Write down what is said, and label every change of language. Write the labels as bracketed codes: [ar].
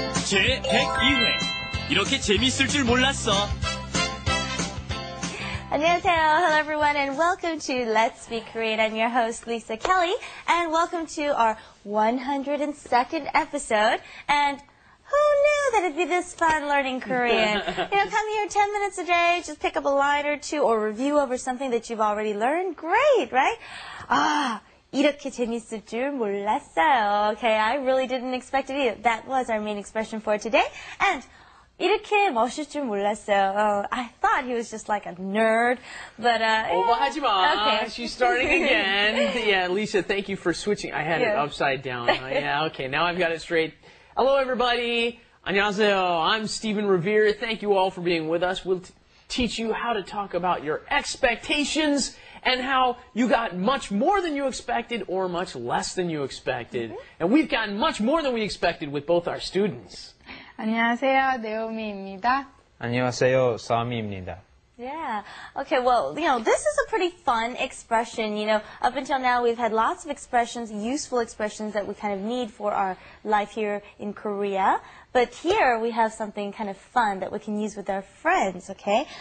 [ko] 제101회 이렇게 재밌을 줄 몰랐어. 안녕하세요. [en] Hello everyone and welcome to Let's Speak Korean. I'm your host Lisa Kelly and welcome to our 102nd episode. And who knew that it'd be this fun learning Korean? You know, come here 10 minutes a day, just pick up a line or two or review over something that you've already learned. Great, right? [ko] 이렇게 재밌을 줄 몰랐어요. [en] Okay, I really didn't expect it either. That was our main expression for today. [ko] And 이렇게 멋있을 줄 몰랐어요. [en] I thought he was just like a nerd, but... [ko] 오버하지 마. [en] Okay. She's starting again. Yeah, Lisa, thank you for switching. I had it upside down. Yeah, okay, now I've got it straight. Hello, everybody. [ko] 안녕하세요. [en] I'm Stephen Revere. Thank you all for being with us. We'll teach you how to talk about your expectations and how you got much more than you expected or much less than you expected. Mm-hmm. And we've gotten much more than we expected with both our students. [ko] 안녕하세요, 네오미입니다. 안녕하세요, 사미입니다. [en] Yeah. Okay, well, you know, this is a pretty fun expression. You know, up until now, we've had lots of expressions, useful expressions that we kind of need for our life here in Korea. But here, we have something kind of fun that we can use with our friends, okay?